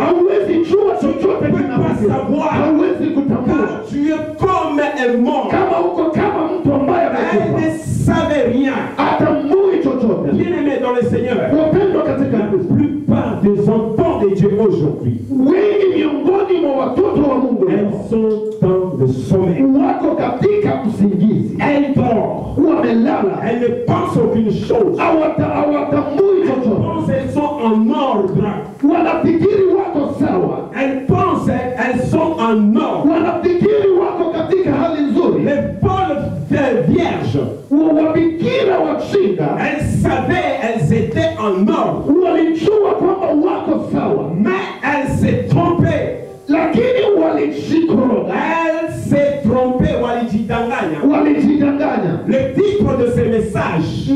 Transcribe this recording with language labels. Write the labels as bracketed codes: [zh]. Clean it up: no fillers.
[sw] Hawezi jua chochote kinapasa. Hawezi kutambua. [fr] Tu es comme un mort. [sw] Kama uko kama mtu ambaye amekufa. [fr] Il ne savait rien. [sw] Atambui chochote. [fr] Bien-aimé dans le Seigneur. [sw] Wapendwa katika Kristo. [fr] La plupart des enfants de Dieu aujourd'hui. [sw] Wengi miongoni mwa watoto wa Mungu. [fr] Ils sont dans le sommeil. [sw] Wako katika usingizi. [fr] Elle dort. [sw] Wamelala. [fr] Elle ne pense aucune chose. [sw] Awatambui chochote. [fr] Elles sont en ordre. [sw] Wanafikiri wako sawa. [fr] Elles pensent, elles sont en ordre. [sw] Wanafikiri wako katika hali nzuri. [fr] Les bonnes filles vierges. [sw] Wabikira wachinga. [fr] Elles savaient, elles étaient en ordre. [sw] Walijua kwamba wako sawa. [fr] Mais elles se trompaient. [sw] Lakini walijikoro. [fr] Elles se trompaient, [sw] walijidanganya. Walijidanganya. [fr] Le titre de ce message.